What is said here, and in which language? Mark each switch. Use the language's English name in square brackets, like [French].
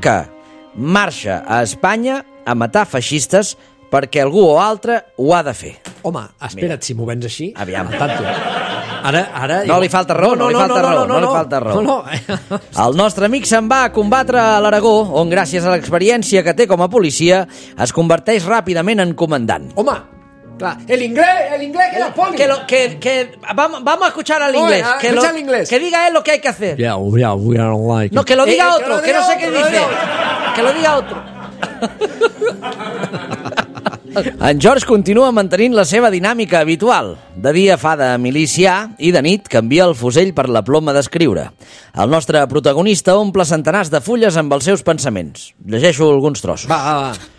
[Catalan] ..que marxa a Espanya a matar feixistes perquè algú o altre ho ha de fer. Home, espera't. Mira. Si m'ho vens així... Aviam. Tanto. Ara... No li falta raó, No. El nostre amic se'n va a combatre a l'Aragó, on gràcies a l'experiència que té com a policia, es converteix ràpidament en comandant. Home, clar, el inglés que la poli. [Spanish] Que vamos a escuchar al inglés. Oye, escucha al inglés. Que diga él lo que hay que hacer. [English] Yeah, we are like... [Spanish] No, que lo diga otro, que no sé qué dice. Que lo diga otro. [Catalan] En George continua mantenint la seva dinàmica habitual. De dia fa de milicià i de nit canvia el fusell per la ploma d'escriure. El nostre protagonista omple centenars de fulles amb els seus pensaments. Llegeixo alguns trossos. Va.